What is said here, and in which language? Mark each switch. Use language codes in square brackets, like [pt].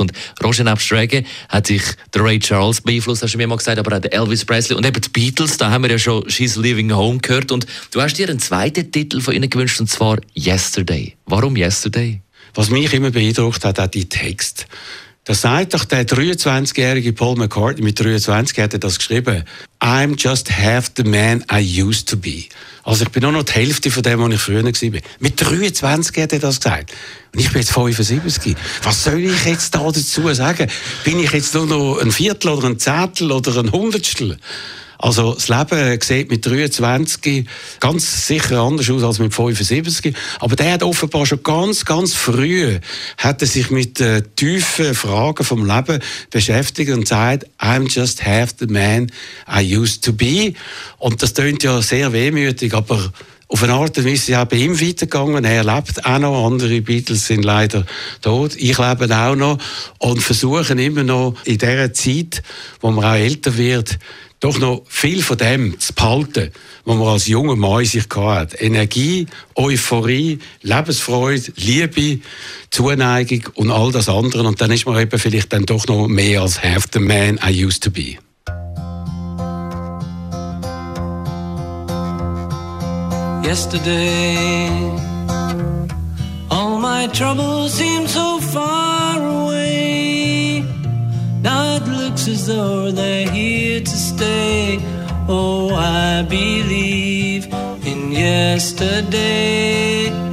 [de] Und Roger, nebst Reggae hat sich der Ray Charles beeinflusst, hast du mir mal gesagt, aber auch der Elvis Presley und eben die Beatles, da haben wir ja schon She's Leaving Home gehört. Und du hast dir einen zweiten Titel von ihnen gewünscht, und zwar Yesterday. Warum Yesterday? Was mich immer beeindruckt hat, auch die Text. Da sagt doch der 23-jährige Paul McCartney, mit 23 hat er das geschrieben. [en] I'm just half the man I used to be. [de] Also ich bin nur noch die Hälfte von dem, was ich früher gewesen bin. Mit 23 hat er das gesagt. Und ich bin jetzt 75. Was soll ich jetzt da dazu sagen? Bin ich jetzt nur noch ein Viertel oder ein Zehntel oder ein Hundertstel? Also das Leben sieht mit 23 ganz sicher anders aus als mit 75. Aber der hat offenbar schon ganz, ganz früh hat er sich mit tiefen Fragen vom Leben beschäftigt und sagt, [en] I'm just half the man I used to be. [de] Und das klingt ja sehr wehmütig, aber auf eine Art und Weise ist es ja bei ihm weitergegangen. Er lebt auch noch. Andere Beatles sind leider tot. Ich lebe auch noch und versuche immer noch in dieser Zeit, wo man auch älter wird, doch noch viel von dem zu behalten, was man als junger Mann sich hatte. Energie, Euphorie, Lebensfreude, Liebe, Zuneigung und all das andere. Und dann ist man eben vielleicht dann doch noch mehr als [en] half the man I used to be. Yesterday, all my troubles seem so far away. Now it looks as though they're here to stay. Oh, I believe in yesterday.